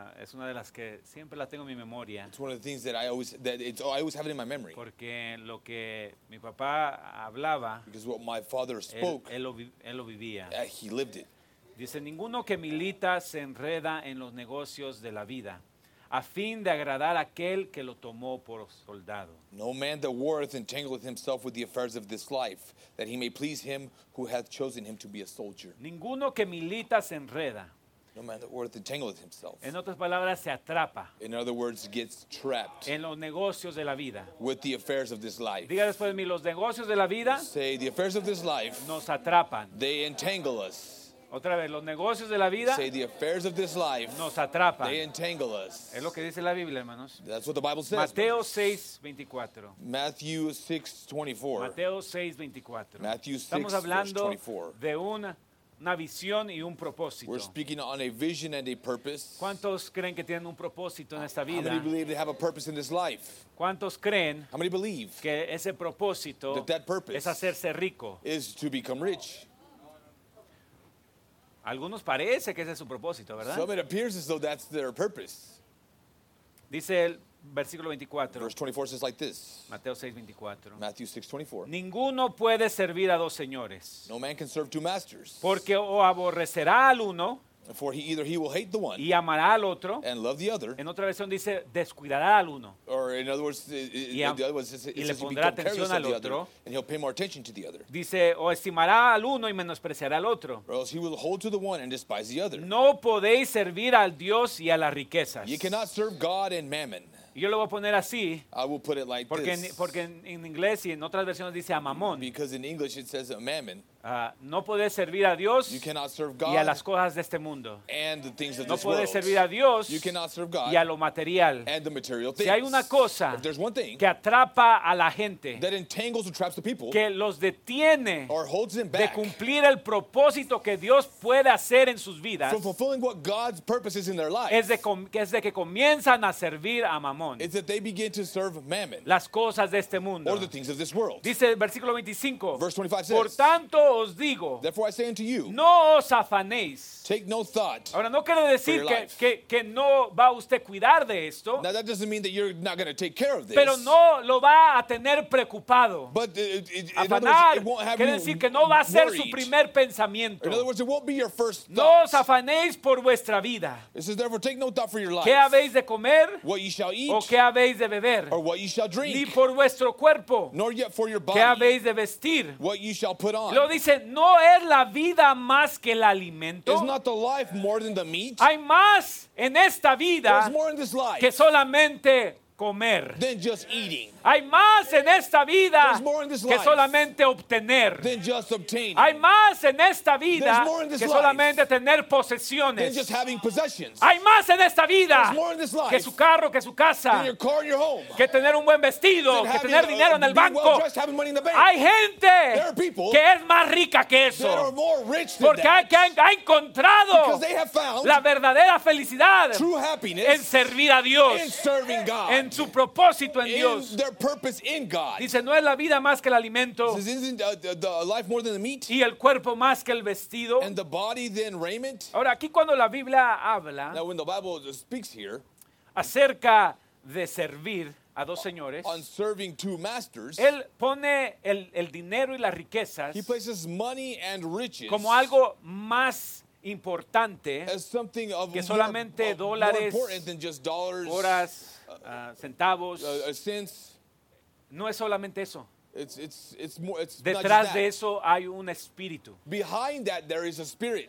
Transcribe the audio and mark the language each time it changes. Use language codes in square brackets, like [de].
[es] Es una de las que siempre la tengo en mi memoria. [en] It's one of the things that I always have it in my memory. [es] Porque lo que mi papá hablaba. [en] Because what my father spoke. [es] Él lo vivía. [en] He lived it. [es] Dice, ninguno que milita se enreda en los negocios de la vida. A fin de agradar a aquel que lo tomó por soldado. [en] No man that warreth entangleth himself with the affairs of this life, that he may please him who hath chosen him to be a soldier. [es] Ninguno que milita se enreda. [en] No man that warreth entangleth himself. [es] En otras palabras, se atrapa. [en] In other words, gets trapped. [es] En los negocios de la vida. [en] With the affairs of this life. [es] Diga después de mí, los negocios de la vida. [en] Say, the affairs of this life. [es] Nos atrapan. [en] They entangle us. [es] Otra vez, los negocios de la vida [en] say the affairs of this life, [es] nos atrapan. [en] They entangle us. [es] Es lo que dice la Biblia, hermanos. [en] That's what the Bible says. [es] Mateo 6:24. [en] Matthew 6:24. [es] Mateo 6:24. [en] Matthew 6:24. [es] Estamos hablando de una visión y un propósito. [en] We're speaking on a vision and a purpose. [es] ¿Cuántos creen que tienen un propósito en esta vida? [en] How many believe they have a purpose in this life? [es] ¿Cuántos creen [en] How many believe [es] que ese propósito [en] that purpose [es] es hacerse rico? [en] Is to become rich. [es] Algunos parece que ese es su propósito, ¿verdad? [en] Some it appears as though that's their purpose. [es] Dice el versículo 24. [en] Verse 24 says like this. [es] Mateo 6:24. [en] Matthew 6:24. [es] Ninguno puede servir a dos señores. [en] No man can serve two masters. [es] Porque o aborrecerá al uno. [en] For he either he will hate the one. [es] Y amará al otro. [en] And love the other. [es] En otra versión dice descuidará al uno. [en] Or in other words, the other one says [es] y le pondrá atención al otro. [en] And he'll pay more attention to the other. [es] Dice o estimará al uno y menospreciará al otro. [en] Or else he will hold to the one and despise the other. [es] No podéis servir al Dios y a las riquezas. [en] You cannot serve God and mammon. [es] Y yo lo voy a poner así. [en] I will put it like [es] porque [en] this. [es] Porque en inglés y en otras versiones dice a mamón. [en] Because in English it says a mammon. [es] No puedes servir a Dios [en] you cannot serve God [es] y a las cosas de este mundo. [en] And the things of [es] no [en] this [es] puedes [en] world. [es] Servir a Dios [en] you cannot serve God [es] y a lo material. [en] And the material things. [es] Si hay una cosa [en] if there's one thing [es] que atrapa a la gente [en] that entangles or traps the people, [es] que los detiene [en] or holds them back [es] de cumplir el propósito que Dios puede hacer en sus vidas [en] from fulfilling what God's purpose is in their life, [es] es de que comienzan a servir a mamón [en] it's that they begin to serve mammon, [es] las cosas de este mundo [en] or the things of this world. [es] Dice el versículo 25, [en] Verse 25 says, [es] por tanto os digo, [en] therefore I say unto you, [es] no os afanéis. [en] Take no thought. [es] Ahora no quiere decir que no va usted cuidar de esto. [en] Now that doesn't mean that you're not going to take care of this. [es] Pero no lo va a tener preocupado. [en] But [es] quiere decir que no va a ser su primer pensamiento. [en] In other words, it won't be your first thought. [es] No os afanéis por vuestra vida. [en] It says therefore take no thought for your life. [es] ¿Qué habéis de comer? [en] What ye shall eat. [es] ¿O qué habéis de beber? [en] Or what ye shall drink. [es] Ni por vuestro cuerpo. [en] Nor yet for your body. [es] ¿Qué habéis de vestir? [en] What ye shall put on. [es] Lo dice dice, no es la vida más que el alimento. [en] Is not the life more than the meat? [es] Hay más en esta vida [en] more in this life [es] que solamente comer. [en] Than just eating. [es] Hay más en esta vida [en] more in this [es] que [en] life [es] solamente obtener. [en] Than just obtaining. [es] Hay más en esta vida [en] more in this [es] que [en] life [es] solamente tener posesiones. [en] Than just having possessions. [es] Hay más en esta vida [en] more in this life [es] que su carro, que su casa, [en] than your car and your home, [es] que tener un buen vestido, [en] than [es] que tener dinero en el banco. [en] Well-dressed, having money in the bank. [es] Hay gente [en] there are people [es] que es más rica que eso. [en] That are more rich than [es] porque [en] that [es] ha encontrado [en] because they have found [es] la verdadera felicidad [en] true happiness [es] en servir a Dios. [en] In serving God. [es] En su propósito en Dios. [en] In their purpose in God. [es] Dice, no es la vida más que el alimento. [en] Says, isn't the life more than the meat? [es] Y el cuerpo más que el vestido. [en] And the body than raiment? [es] Ahora, aquí cuando la Biblia habla [en] now, when the Bible speaks here, [es] acerca de servir a dos señores, [en] on serving two masters, [es] él pone el dinero y las riquezas, [en] he places money and riches, [es] como algo más importante [en] as something of [es] que solamente dólares, [en] more important than just dollars, [es] horas, centavos. [en] Cents. [es] No es solamente eso. [en] It's more, it's [es] detrás [en] not just [es] de eso hay un espíritu. [en] Behind that there is a spirit.